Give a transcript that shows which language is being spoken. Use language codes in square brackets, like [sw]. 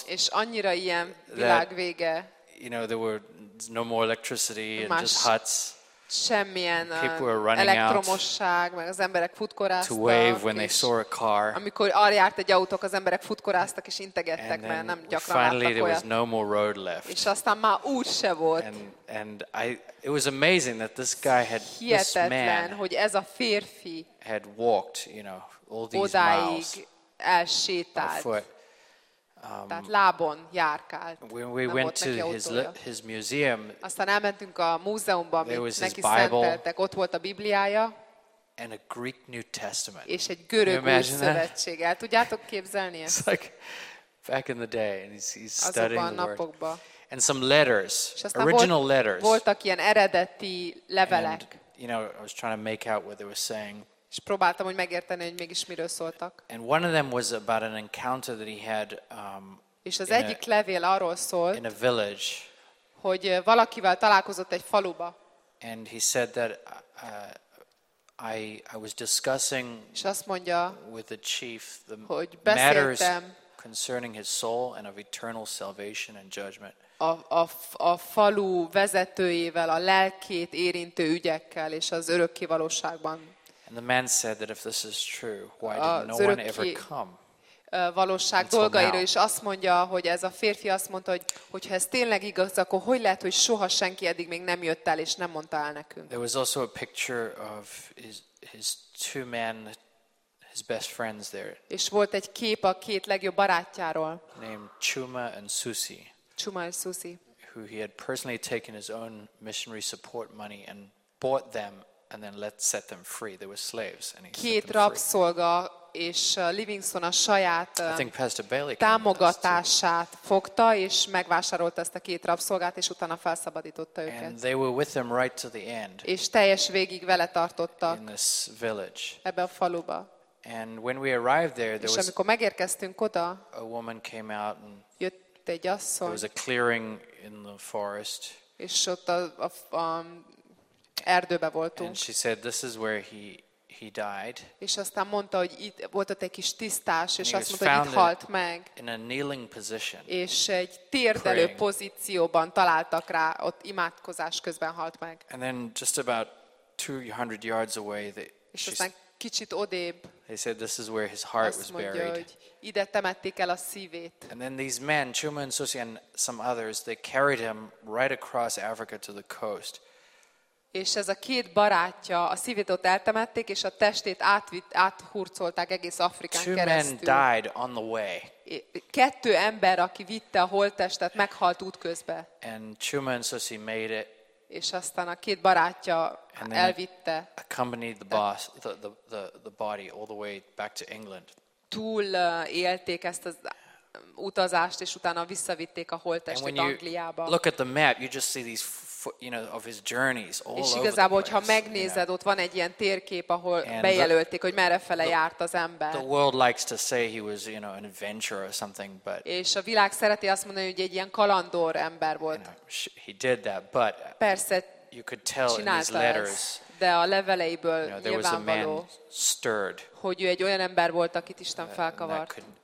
[hu] És annyira ilyen világvége. [en] You know, there were no more electricity and just huts. [hu] Semmilyen elektromosság, meg az emberek futkoráztak. [en] To wave when they saw a car. [hu] Amikor arra járt egy autó, az emberek futkoráztak és integettek, mert nem gyakran láttak olyat. [en] No more road left. [hu] És aztán már út se volt. [en] It was amazing that this guy had, [hu] hihetetlen, [en] this man, [hu] hogy ez a férfi [en] had walked, you know, all these [hu] odáig [en] miles [hu] elsétált. Tehát lábon járkált. [en] When we went to his museum, [hu] aztán elmentünk a múzeumba, amit neki szenteltek, ott volt a Bibliája, [en] and a Greek New Testament. [hu] És egy görög új szövetség. El tudjátok képzelni ezt? [en] It's like back in the day, and he's studying the word. And some letters, original letters. [hu] Voltak ilyen eredeti levelek. [en] And, you know, I was trying to make out what they were saying. [hu] És próbáltam, hogy megérteni, hogy mégis miről szóltak. [en] And one of them was about an encounter that he had [hu] és az egyik levél arról szólt, [en] in a village, [hu] hogy valakivel találkozott egy faluba. [en] And he said that I was discussing, [hu] és azt mondja, [en] with the chief the [hu] hogy beszéltem [en] concerning his soul and of eternal salvation and judgment. [hu] A falu vezetőjével, a lelkét érintő ügyekkel és az örökkévalóságban. [en] And the man said that if this is true, why did no one ever come? [hu] Valóság dolgairól is azt mondja, hogy ez a férfi azt mondta, hogy ha ez tényleg igaz, akkor hogy lehet, hogy soha senki eddig még nem jött el és nem mondta el nekünk? [en] There was also a picture of his two men, his best friends there. [hu] És volt egy kép a két legjobb barátjáról. [en] Named Chuma and Susie. [hu] Chuma és Susie. [en] Who he had personally taken his own missionary support money and bought them. And then let's set them free. They were slaves, and he set them free. [hu] Két rabszolga és Livingstone a saját támogatását fogta és megvásárolta ezt a két rabszolgát és utána felszabadította őket. [en] And they were with him right to the end. [hu] És teljes végig vele tartottak. [en] In this village. [hu] Ebbe a faluba. [en] And when we arrived there, there was. [hu] És amikor megérkeztünk oda. [en] A woman came out and. [hu] Jött egy asszony. [en] There was a clearing in the forest. [hu] És ott a erdőbe voltunk. [en] And she said, this is where he died. [hu] És aztán mondta, hogy itt volt ott egy kis tisztás, és azt mondta, hogy itt halt meg. [en] In a kneeling position, [hu] és egy térdelő pozícióban találtak rá, ott imádkozás közben halt meg. [en] And then just about 200 yards away, [hu] és aztán kicsit odébb, [en] they said, this is where his heart was buried. [hu] Hogy ide temették el a szívét. [en] And then these men, Chuma and Susie and some others, they carried him right across Africa to the coast. [hu] És ez a két barátja a szívét ott eltemették, és a testét áthurcolták egész Afrikán [en] two [hu] keresztül. [en] Men died on the way. [hu] Kettő ember, aki vitte a holttestet, meghalt útközben. [en] And Chuma and Susie made it. [hu] És aztán a két barátja elvitte. [en] Accompanied the boss, the body all the way back to England. [hu] Túl élték ezt az utazást, és utána visszavitték a holttestet Angliába. [en] Look at the map, you just see these you know, of his journeys all over. [hu] És igazából, hogyha megnézed, ott van egy ilyen térkép, ahol bejelölték, hogy merre fele járt az ember. [en] The world likes to say he was, you know, an adventurer or something, but. [hu] És a világ szereti azt mondani, hogy egy ilyen kalandor ember volt. [en] He did that, but. [hu] Persze. [en] You could tell in his letters. [hu] De a leveleiből nyilvánvaló, hogy ő egy olyan ember volt, akit Isten felkavart.